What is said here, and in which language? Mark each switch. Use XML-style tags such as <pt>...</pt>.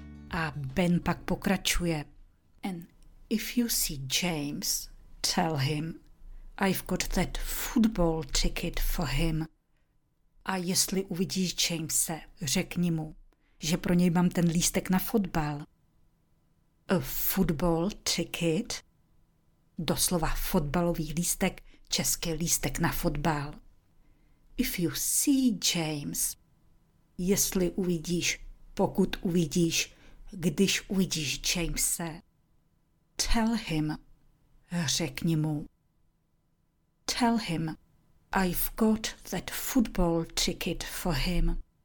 <cs>A Ben pak pokračuje.</cs> <en>And if you see James, tell him I've got that football ticket for him.</en> <cs>A jestli uvidíš Jamese, řekni mu, že pro něj mám ten lístek na fotbal.</cs> <en>A football ticket?</en> <cs>Doslova fotbalový lístek, český lístek na fotbal.</cs> <en>If you see James,</en> <cs>jestli uvidíš, pokud uvidíš, když uvidíš Jamese,</cs> <en>tell him,</en> <cs>řekni mu.</cs> <en>Tell him, I've got that football ticket for him.</en>